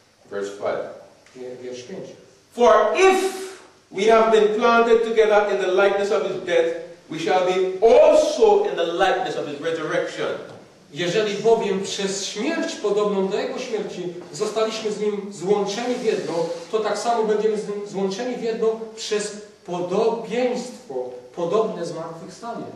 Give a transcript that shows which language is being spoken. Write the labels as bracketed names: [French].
[English] Verse 5. [Polish] Wiersz 5. [English] For if we have been planted together in the likeness of his death, we shall be also in the likeness of his resurrection. [Polish] Jeżeli bowiem przez śmierć podobną do jego śmierci zostaliśmy z nim złączeni w jedno, to tak samo będziemy z nim złączeni w jedno przez podobieństwo podobne zmartwychwstanie.